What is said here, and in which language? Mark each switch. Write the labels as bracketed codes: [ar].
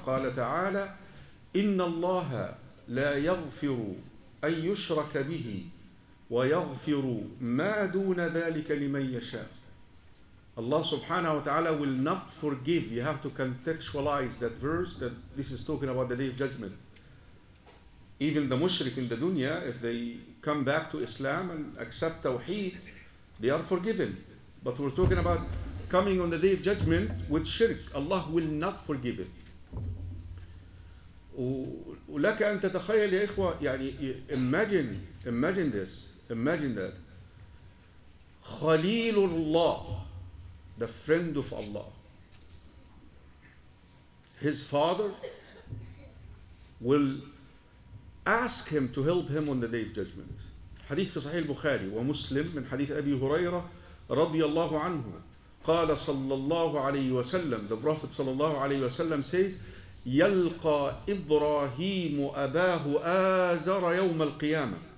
[ar] قال تعالى إن الله لا يغفر أن يشرك به ويغفر ما دون ذلك لمن يشاء. [en] Allah subhanahu wa ta'ala will not forgive. You have to contextualize that verse that this is talking about the day of judgment. Even the mushrik in the dunya, if they come back to Islam and accept tawheed, they are forgiven. But we're talking about coming on the day of judgment with shirk. Allah will not forgive it. [ar] ولك أن تتخيل يا إخوة, يعني [en] imagine that. خليل الله, the friend of Allah, his father will ask him to help him on the day of judgment. [ar] حديث في صحيح البخاري ومسلم من حديث أبي هريرة رضي الله عنه قال صلى الله عليه وسلم, [en] the prophet [ar] صلى الله عليه وسلم [en] says, [ar] يلقى إبراهيم أباه آزر يوم القيامة.